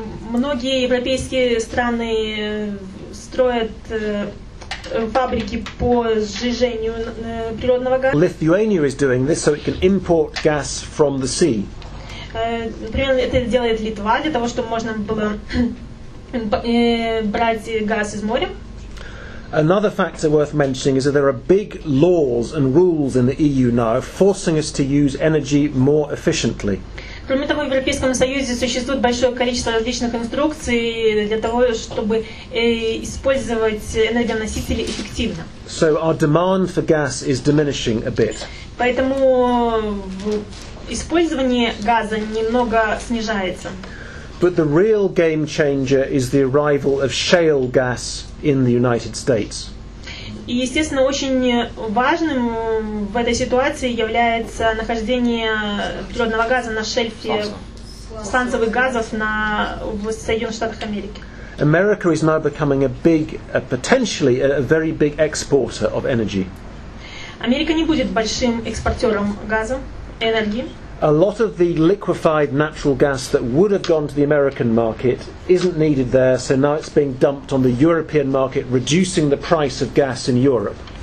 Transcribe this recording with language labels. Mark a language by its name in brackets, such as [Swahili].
[Russian] Многие европейские страны строят фабрики по сжижению природного газа. [English] Lithuania is doing this so it can import gas from the sea. [Russian] Например, это делает Литва для того, чтобы можно было брать газ из моря. [English] Another factor worth mentioning is that there are big laws and rules in the EU now forcing us to use energy more efficiently. [Russian] Кроме того, в Европейском Союзе существует большое количество различных инструкций для того, чтобы использовать энергоносители эффективно. [English] So our demand for gas is diminishing a bit. [Russian] Поэтому использование газа немного снижается. [English] But the real game changer is the arrival of shale gas in the United States. [Russian] И, естественно, очень важным в этой ситуации является нахождение природного газа на шельфе, сланцевых газов в Соединенных Штатах Америки. [English] America is now becoming a very big exporter of energy. [Russian] Америка не будет большим экспортером газа, энергии. [English] A lot of the liquefied natural gas that would have gone to the American market isn't needed there, so now it's being dumped on the European market, reducing the price of gas in Europe.